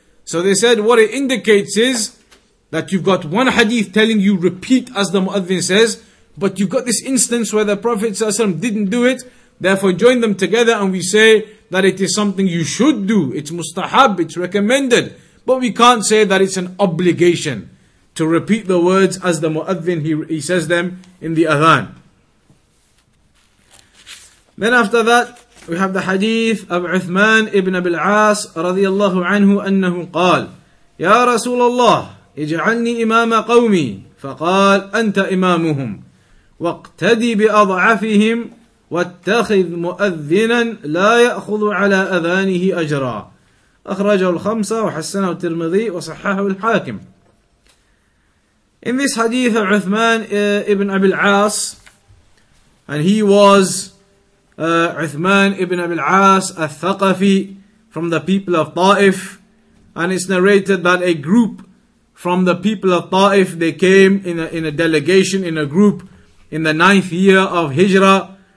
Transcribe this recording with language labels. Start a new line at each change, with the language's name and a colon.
English: So they said, what it indicates is that you've got one hadith telling you repeat as the Mu'adhin says, but you've got this instance where the Prophet ﷺ didn't do it, therefore join them together and we say that it is something you should do. It's mustahab, it's recommended. But we can't say that it's an obligation to repeat the words as the Mu'adhin, he says them in the Adhan. Then after that, we have the hadith of Uthman ibn Abil As radiyallahu anhu annahu qal, Ya Rasulullah,
Arabic: اجعلني إمام قومي فقال أنت إمامهم واقتدي بأضعفهم واتخذ مؤذنا لا يأخذ على أذانه أجرا أخرجه الخمسة وحسنه الترمذي وصححه الحاكم.
English: In this hadith of Uthman ibn Abil As, and he was Uthman ibn Abil As al-Thaqafi from the people of Ta'if, and it's narrated that a group from the people of Ta'if, they came in a delegation, in a group, in the ninth year of Hijrah.